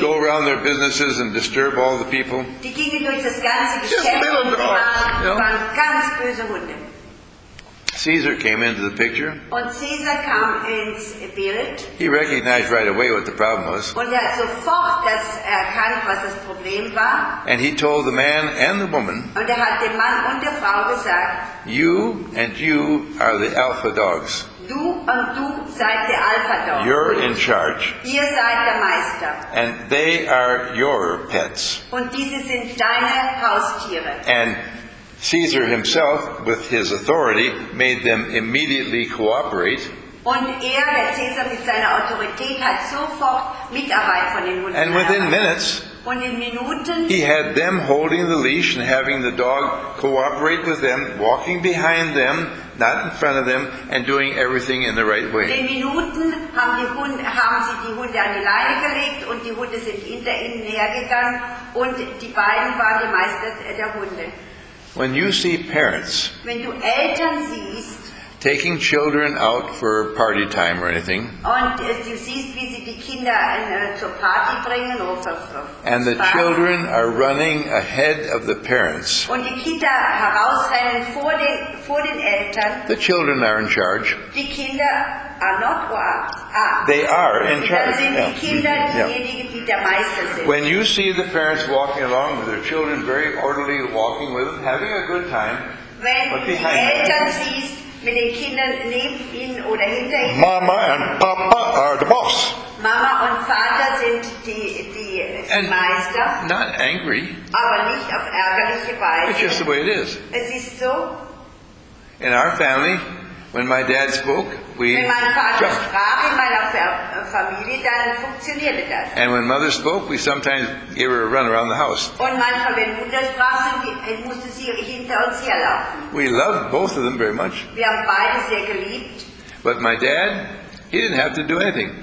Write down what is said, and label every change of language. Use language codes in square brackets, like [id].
[en] Go around their businesses and disturb all the people. [de] Die gingen durch das ganze Geschäft. [en] Just little dogs. [de] Waren ganz böse Hunde. [en] Caesar came into the picture. [de] Und Caesar kam ins Bild. [en] He recognized right away what the problem was. [de] Und er hat sofort das erkannt, was das Problem war. [en] And he told the man and the woman. [de] Und hat dem Mann und der Frau gesagt. [en] You and you are the alpha dogs. [de] Du und du seid der Alpha Dog. [en] You're in charge. [de] Ihr seid der Meister. [en] And they are your pets. [de] Und diese sind deine Haustiere. [en] And Caesar himself, with his authority, made them immediately cooperate. [de] Und der Caesar mit seiner Autorität hat sofort Mitarbeit von den Hunden. [en] And within minutes, [de] und in Minuten, [en] he had them holding the leash and having the dog cooperate with them, walking behind them, not in front of them, and doing everything in the right way. [de] In Minuten haben sie die Hunde an die Leine gelegt und die Hunde sind hinter ihnen hergegangen und die beiden waren die Meister der Hunde. [en] When you see parents, [de] wenn du Eltern siehst, [en] taking children out for party time or anything, [de] und du siehst, wie sie die Kinder zur Party bringen oder zur [en] and the children are running ahead of the parents, [de] und die Kinder herausrennen vor den Eltern, [en] the children are in charge. [de] Die Kinder [en] are not what? They are in charge. [de] Dann sind die Kinder diejenigen, die der Meister sind. [en] When you see the parents walking along with their children, very orderly walking with them, having a good time, [de] wenn die Eltern siehst, mit den Kindern neben ihnen oder hinter ihnen, [en] Mama and Papa are the boss. [de] Mama und Vater sind die Meister. [en] Not angry. [de] Aber nicht auf ärgerliche Weise. [en] It's just the way it is. [de] Es ist so. [en] In our family, when my dad spoke, we [de] wenn mein Vater [en] jumped. [de] Sprach in meiner Familie, dann funktionierte das. [en] And when mother spoke, we sometimes gave her a run around the house. [de] Und manchmal, wenn Mutter sprach, musste sie hinter uns herlaufen. [en] We loved both of them very much. [de] Wir haben beide sehr geliebt. [en] But my dad, he didn't have to do anything.